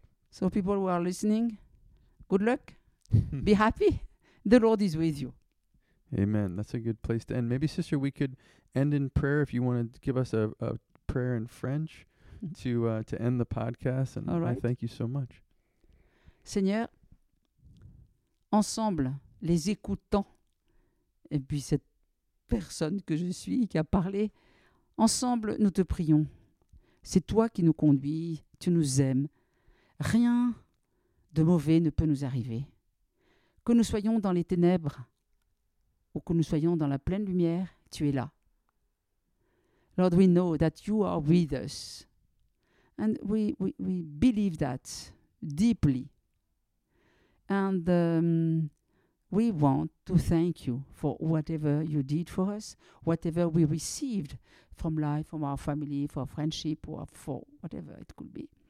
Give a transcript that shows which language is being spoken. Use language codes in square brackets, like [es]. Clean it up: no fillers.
[en] So people who are listening, good luck. Be happy. The Lord is with you. Amen. That's a good place to end. Maybe, sister, we could end in prayer if you want to give us a prayer in French to end the podcast. And all right. I thank you so much. [fr] Seigneur, ensemble, les écoutants, et puis cette personne que je suis qui a parlé, ensemble, nous te prions. C'est toi qui nous conduis, tu nous aimes. Rien de mauvais ne peut nous arriver. Que nous soyons dans les ténèbres ou que nous soyons dans la pleine lumière, tu es là. [en] Lord, we know that you are with us. And we believe that deeply. And we want to thank you for whatever you did for us, whatever we received from life, from our family, for friendship, or for whatever it could be.